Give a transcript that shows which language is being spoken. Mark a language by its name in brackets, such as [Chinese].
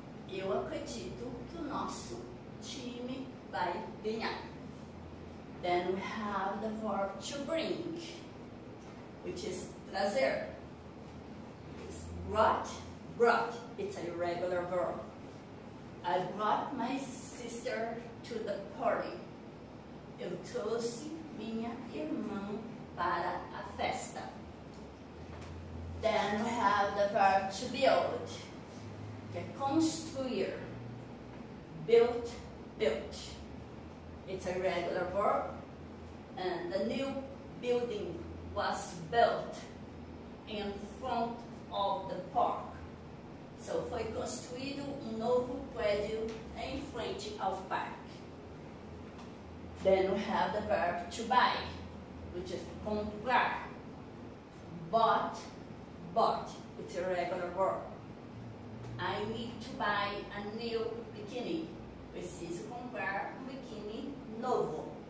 [Portuguese] Eu acredito que o nosso time vai ganhar. [English] Then we have the verb to bring, which is trazer. It's brought, brought. It's an irregular verb. I brought my sister to the party. [Portuguese] Eu trouxe minha irmã para a festa. [English] Then we have the verb to build, [Portuguese] que é construir. [English] Built, built. It's a regular verb. And the new building was built in front of the park. [Portuguese] So, foi construído novo prédio em frente ao parque. [English] Then we have the verb to buy, which is comprar. Bought, bought. It's a regular verb. I need to buy a new bikini. [Portuguese] Preciso comprar bikini novo.